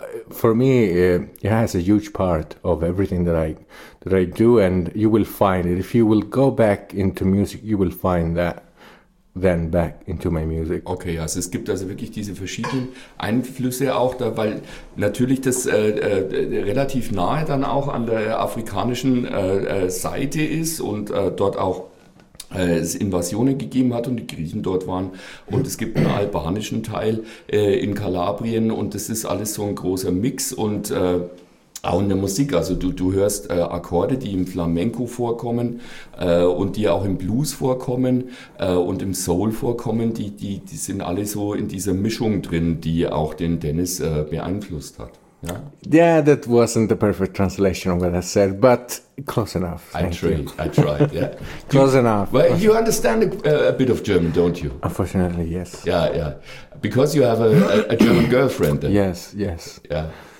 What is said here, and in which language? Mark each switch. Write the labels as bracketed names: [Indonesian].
[English] For me, it has a huge part of everything that I do, and you will find it. If you will go back into music, you will find that then back into my music. [German] Okay, also es gibt also wirklich diese verschiedenen Einflüsse auch da, weil natürlich das relativ nahe dann auch an der afrikanischen Seite ist und dort auch es Invasionen gegeben hat und die Griechen dort waren, und es gibt einen albanischen Teil in Kalabrien, und das ist alles so ein großer Mix. Und auch in der Musik, also du hörst Akkorde, die im Flamenco vorkommen und die auch im Blues vorkommen und im Soul vorkommen, die sind alle so in dieser Mischung drin, die auch den Dennis beeinflusst hat. [English] Yeah, that wasn't the perfect translation of what I said, but close enough. I tried, yeah. Close enough. Well, you understand a bit of German, don't you? Unfortunately, yes. Yeah. Because you have a German girlfriend. Then. Yes. Yeah.